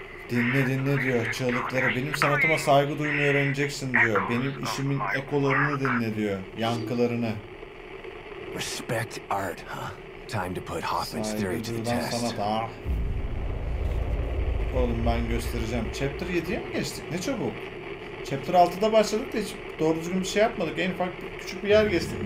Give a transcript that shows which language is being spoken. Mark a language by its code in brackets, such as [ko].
[tr] Dinle dinle diyor çığlıkları. Benim sanatıma saygı duymayı öğreneceksin diyor. Benim işimin ekolarını dinle diyor. Yankılarını. [en] Respect art, huh? Time to put Hoffman's theory to the test. [tr] Oğlum ben göstereceğim. Chapter 7'ye mi geçtik? Ne çabuk. Chapter 6'da başladık da hiç doğru düzgün bir şey yapmadık. En ufak küçük bir yer geçtik.